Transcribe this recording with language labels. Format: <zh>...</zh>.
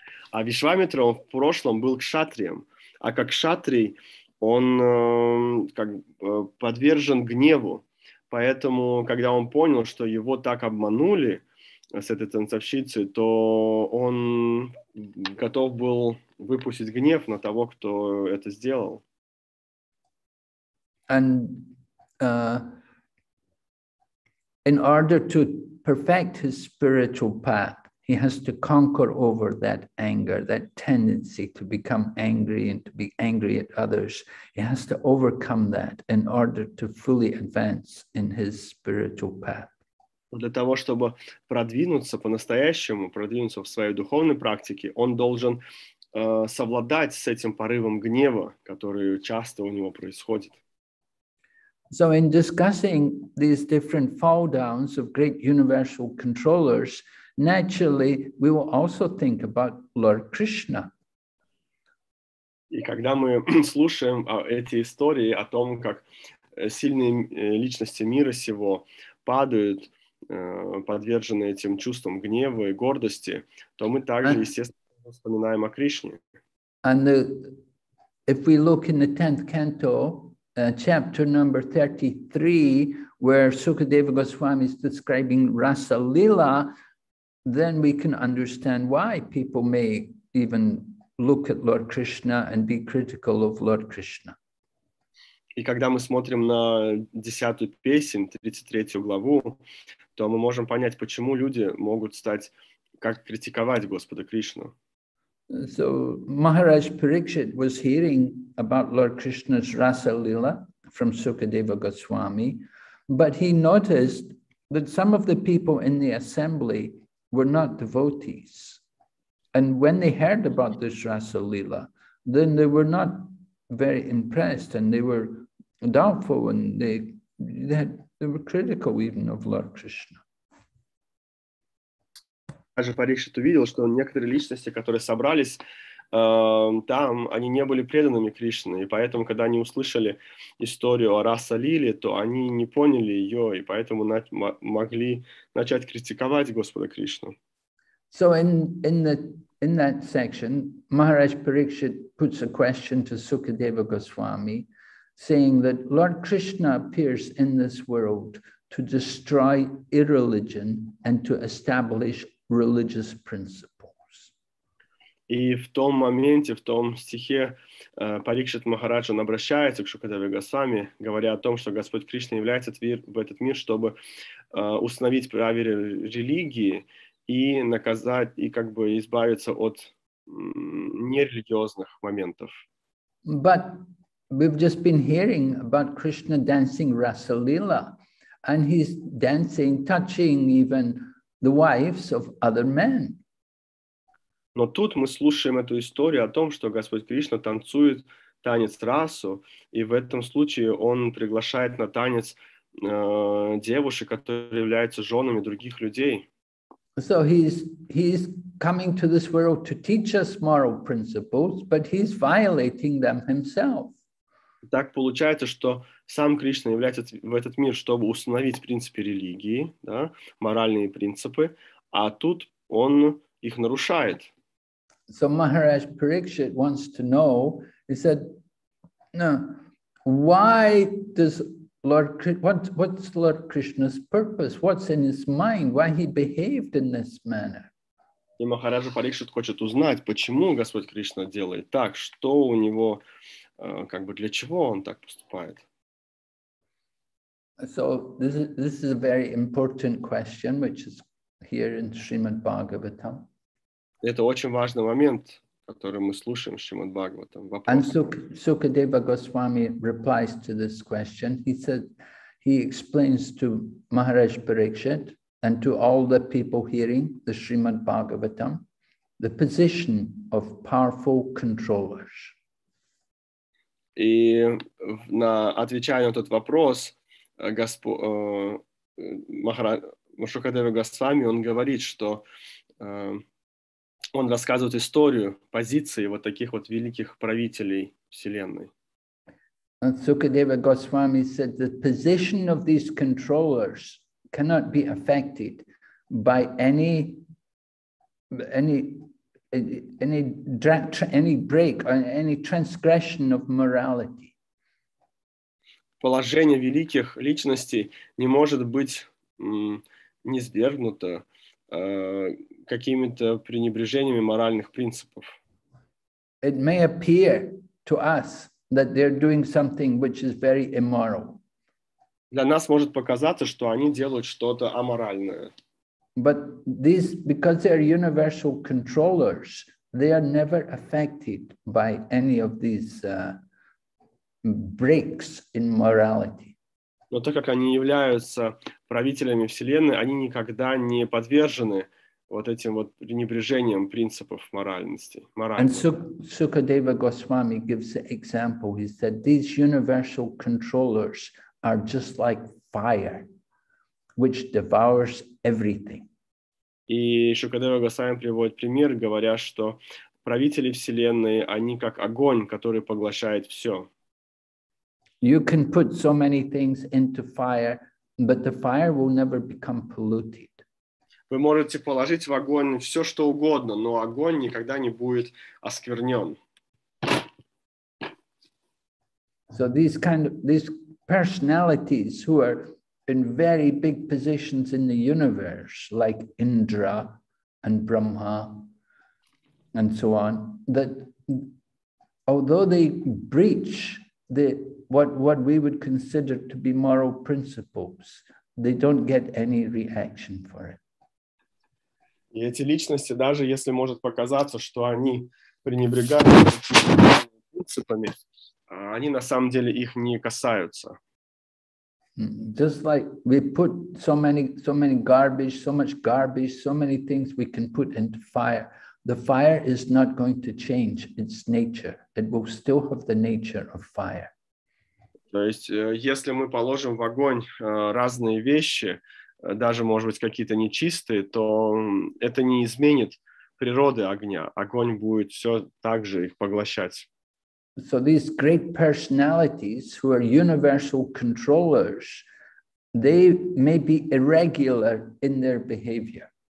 <ru>А Вишвамитра в прошлом был кшатрием, а как кшатрий он подвержен гневу, поэтому когда он понял, что его так обманули с этой танцовщицей, то он готов был выпустить гнев на того, кто это сделал.</ru> <en>And In order to perfect his spiritual path, he has to conquer over that anger, that tendency to become angry and to be angry at others. He has to overcome that in order to fully advance in his spiritual path.</en> <ru>Для того, чтобы продвинуться по-настоящему, продвинуться в своей духовной практике, он должен совладать с этим порывом гнева, который часто у него происходит.</ru> <en>So in discussing these different fall downs of great universal controllers, naturally we will also think about Lord Krishna.</en> <ru>И когда мы слушаем эти истории о том, как сильные личности мира сего падают, подвержены этим чувствам гнева и гордости, то мы также, естественно, вспоминаем о Кришне.</ru> <en>And if we look in the 10th canto, chapter number 33, where Sukadeva Goswami is describing Rasa Lila, then we can understand why people may even look at Lord Krishna and be critical of Lord Krishna.</en> <ru>И когда мы смотрим на 10-ю песнь, 33-ю главу, то мы можем понять, почему люди могут стать, как критиковать Господа Кришну.</ru> <en>So Maharaj Parikshit was hearing about Lord Krishna's Rasa Lila from Sukadeva Goswami, but he noticed that some of the people in the assembly were not devotees. And when they heard about this Rasa Lila, then they were not very impressed and they were doubtful and they were critical even of Lord Krishna.</en> <ru>Даже Парикшит увидел, что некоторые личности, которые собрались там, они не были преданными Кришне, и поэтому, когда они услышали историю о Раса Лиле, то они не поняли ее, и поэтому могли начать критиковать Господа Кришну.</ru> <en>So in that section, Maharaj Parikshit puts a question to Sukadeva Goswami, saying that Lord Krishna appears in this world to destroy irreligion and to establish religious principles.</en> <ru>И в том моменте, в том стихе, Парикшит Махарадж обращается к Шукадеве Госвами, говоря о том, что Господь Кришна является в этот мир, чтобы установить правила религии и наказать, и как бы избавиться от нерелигиозных моментов.</ru> <en>But we've just been hearing about Krishna dancing Rasa Lila, and he's dancing, touching even the wives of other men.</en> <ru>Но тут мы слушаем эту историю о том, что Господь Кришна танцует танец расу, и в этом случае он приглашает на танец девушек, которые являются женами других людей.</ru> <en>So he's coming to this world to teach us moral principles, but he's violating them himself.</en> <ru>Так получается, что сам Кришна является в этот мир, чтобы установить принципы религии, да, моральные принципы, а тут он их нарушает.</ru> <en>So Maharaj Parikshit wants to know, he said, no, why does Lord Krishna, what's Lord Krishna's purpose? What's in his mind? Why he behaved in this manner?</en> <ru>И Махарадж Парикшит хочет узнать, почему Господь Кришна делает так, что у него, как бы для чего он так поступает.</ru> <en>So this is a very important question, which is here in Srimad Bhagavatam.</en> <ru>Это очень важный момент, который мы слушаем в Srimad Bhagavatam.</ru> <en>And Sukadeva Goswami replies to this question. He explains to Maharaj Parikshit and to all the people hearing the Srimad Bhagavatam the position of powerful controllers.</en> <ru>И на отвечая на этот вопрос, Шукадева Госвами, он говорит, что он рассказывает историю позиции вот таких вот великих правителей Вселенной.</ru> <en>Шукадева Госвами said the position of these controllers cannot be affected by any break or any transgression of morality.</en> <ru>Положение великих личностей не может быть низвергнуто какими-то пренебрежениями моральных принципов.</ru> <en>It may appear to us that they're doing something which is very immoral.</en> <ru>для нас может показаться, что они делают что-то аморальное.</ru> <en>But these, because they are universal controllers, they are never affected by any of these breaks in morality.</en> <ru>Но так как они являются правителями Вселенной, они никогда не подвержены вот этим вот пренебрежением принципов моральности.</ru> <en>And Sukadeva Goswami gives an example. He said these universal controllers are just like fire, which devours everything.</en> <ru>И Шукадева Госвами приводит пример, говоря, что правители Вселенной, они как огонь, который поглощает все.</ru> <en>You can put so many things into fire, but the fire will never become polluted.</en> <ru>Вы можете положить в огонь все, что угодно, но огонь никогда не будет осквернен.</ru> <en>So these kind of these personalities who are in very big positions in the universe, like Indra and Brahma and so on, that although they breach the what we would consider to be moral principles, they don't get any reaction for it.</en> <ru>И эти личности, даже если может показаться, что они пренебрегают принципами, они на самом деле их не касаются.</ru> <en>Just like we put so many garbage, so much garbage, so many things we can put into fire. The fire is not going to change its nature. It will still have the nature of fire.</en> <ru>То есть, если мы положим в огонь разные вещи, даже, может быть, какие-то нечистые, то это не изменит природы огня. Огонь будет все так же их поглощать.</ru> <en>So these great personalities who are universal controllers, they may be irregular in their behavior.</en>